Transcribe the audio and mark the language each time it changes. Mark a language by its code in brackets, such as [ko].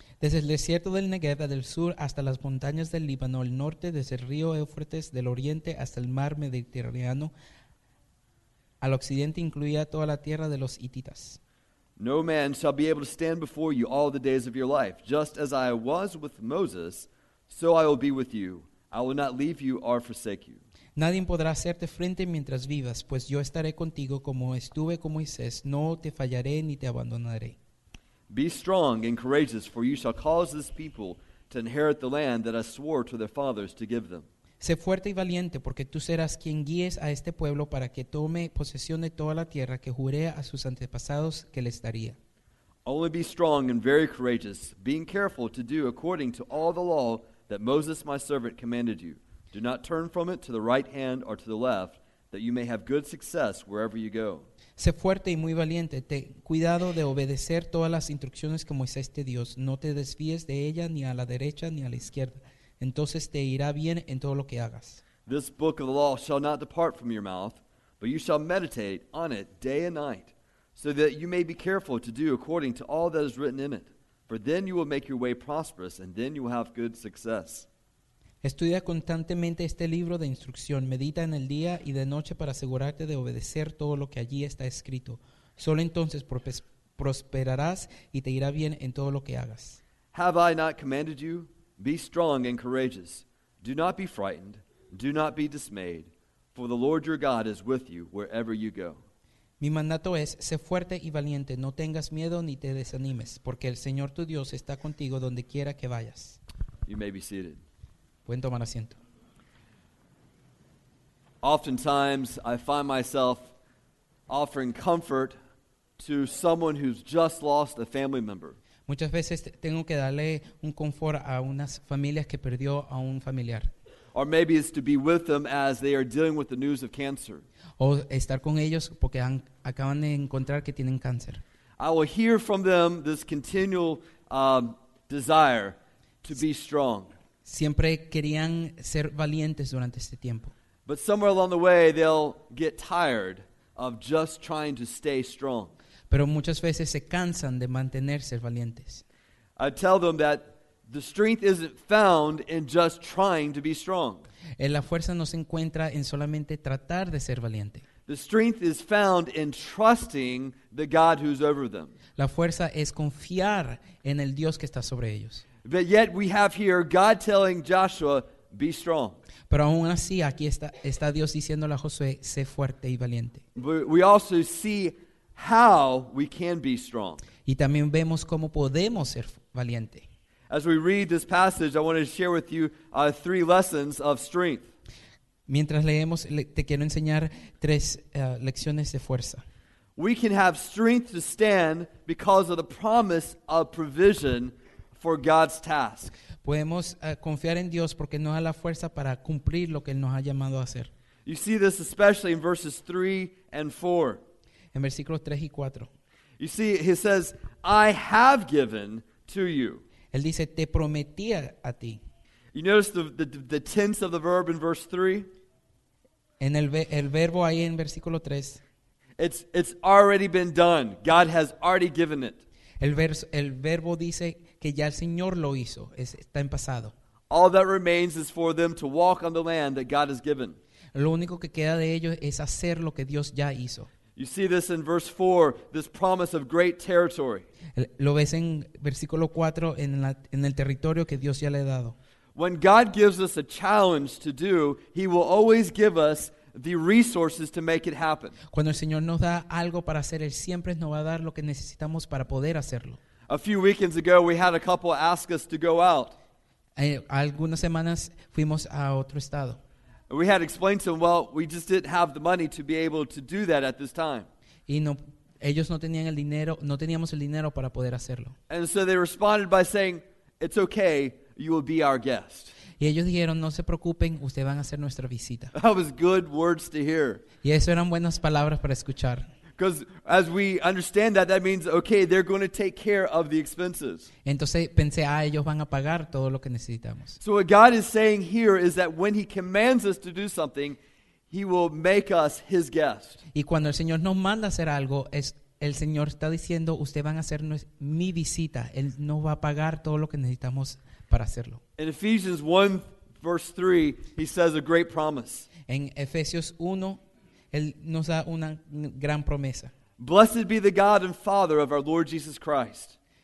[es] Desde el desierto del Negev del sur hasta las montañas del Líbano al norte, desde el río Éufrates del oriente hasta el mar Mediterráneo, al occidente incluía toda la tierra de los Hititas. [en] No man shall be able to stand before you all the days of your life. Just as I was with Moses, so I will be with you. I will not leave you or forsake you. [es] Nadie podrá hacerte frente mientras vivas, pues yo estaré contigo como estuve con Moisés. No te fallaré ni te abandonaré. [en] Be strong and courageous, for you shall cause this people to inherit the land that I swore to their fathers to give them. [es] Sé fuerte y valiente, porque tú serás quien guíes a este pueblo para que tome posesión de toda la tierra que juré a sus antepasados que les daría. [en] Only be strong and very courageous, being careful to do according to all the law that Moses my servant commanded you. Do not turn from it to the right hand or to the left, that you may have good success wherever you go. [es] Sé fuerte y muy valiente. Ten cuidado de obedecer todas las instrucciones que Moisés te dio. No te desvíes de ella ni a la derecha ni a la izquierda. Entonces te irá bien en todo lo que hagas. [en] This book of the law shall not depart from your mouth, but you shall meditate on it day and night, so that you may be careful to do according to all that is written in it. For then you will make your way prosperous, and then you will have good success. [es] Estudia constantemente este libro de instrucción. Medita en el día y de noche para asegurarte de obedecer todo lo que allí está escrito. Solo entonces prosperarás y te irá bien en todo lo que hagas. [en] Have I not commanded you? Be strong and courageous. Do not be frightened. Do not be dismayed. For the Lord your God is with you wherever you go. [es] Mi mandato es, sé fuerte y valiente, no tengas miedo ni te desanimes, porque el Señor tu Dios está contigo donde quiera que vayas. [en] You may be seated. [es] Pueden tomar asiento. [en] Oftentimes I find myself offering comfort to someone who's just lost a family member. [es] Muchas veces tengo que darle un confort a unas familias que perdió a un familiar. [en] Or maybe it's to be with them as they are dealing with the news of cancer. [es] O estar con ellos porque acaban de encontrar que tienen cáncer. [en] I will hear from them this continual desire to be strong. [es] Siempre querían ser valientes durante este tiempo. [en] But somewhere along the way they'll get tired of just trying to stay strong. [es] Pero muchas veces se cansan de mantenerse valientes. [en] I tell them that the strength isn't found in just trying to be strong. [es] La fuerza no se encuentra en solamente tratar de ser valiente. [en] The strength is found in trusting the God who's over them. [es] La fuerza es confiar en el Dios que está sobre ellos. [en] But yet we have here God telling Joshua, be strong. [es] Pero aún así, aquí está Dios diciéndole a Josué, sé fuerte y valiente. [en] We also see how we can be strong. [es] Y también vemos cómo podemos ser valiente. [en] As we read this passage, I want to share with you three lessons of strength. [es] Mientras leemos, te quiero enseñar tres lecciones de fuerza. [en] We can have strength to stand because of the promise of provision for God's task. [es] Podemos confiar en Dios porque nos da la fuerza para cumplir lo que Él nos ha llamado a hacer. [en] You see this especially in verses 3 and 4. [es] En versículos 3 y 4. [en] You see, he says, I have given to you. [es] Él dice, te prometí a ti. [en] You notice the tense of the verb in verse 3? [es] En el verbo ahí en versículo 3. [en] It's already been done. God has already given it. [es] El verbo dice que ya el Señor lo hizo. Está en pasado. [en] All that remains is for them to walk on the land that God has given. [es] Lo único que queda de ellos es hacer lo que Dios ya hizo. [en] You see this in verse 4, this promise of great territory. [es] Lo ves en versículo 4 en el territorio que Dios ya le ha dado. [en] When God gives us a challenge to do, he will always give us the resources to make it happen. [es] Cuando el Señor nos da algo para hacer, él siempre nos va a dar lo que necesitamos para poder hacerlo. [en] A few weekends ago, we had a couple ask us to go out. [es] Algunas semanas fuimos a otro estado. [en] We had explained to them, well, we just didn't have the money to be able to do that at this time. [es] Y no, ellos no tenían el dinero, no teníamos el dinero para poder hacerlo. [en] And so they responded by saying, it's okay, you will be our guest. [es] Y ellos dijeron, no se preocupen, ustedes van a hacer nuestra visita. [en] That was good words to hear. [es] Y eso eran buenas palabras para escuchar. [en] Because as we understand that, that means, okay, they're going to take care of the expenses. [es] Entonces pensé, ellos van a pagar todo lo que necesitamos. [en] So what God is saying here is that when he commands us to do something, he will make us his guest. [es] Y cuando el Señor nos manda hacer algo, el Señor está diciendo, ustedes van a hacer mi visita. Él no va a pagar todo lo que necesitamos para hacerlo. [en] In Ephesians 1, verse 3, he says a great promise. [es] En Efesios 1, Él nos da una gran promesa. [en] Blessed be the God and Father of our Lord Jesus Christ.